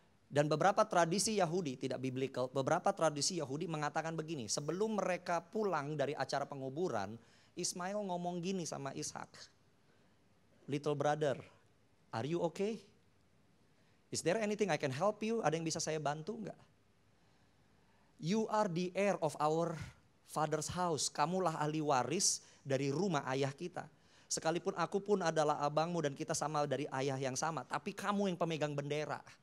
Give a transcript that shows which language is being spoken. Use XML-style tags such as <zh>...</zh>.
<id>Dan beberapa tradisi Yahudi, tidak biblical, beberapa tradisi Yahudi mengatakan begini, sebelum mereka pulang dari acara penguburan, Ismail ngomong gini sama Ishak,</id> <en>little brother, are you okay? Is there anything I can help you?</en> <id>Ada yang bisa saya bantu enggak?</id> <en>You are the heir of our father's house.</en> <id>Kamulah ahli waris dari rumah ayah kita. Sekalipun aku pun adalah abangmu dan kita sama dari ayah yang sama, tapi kamu yang pemegang bendera.</id>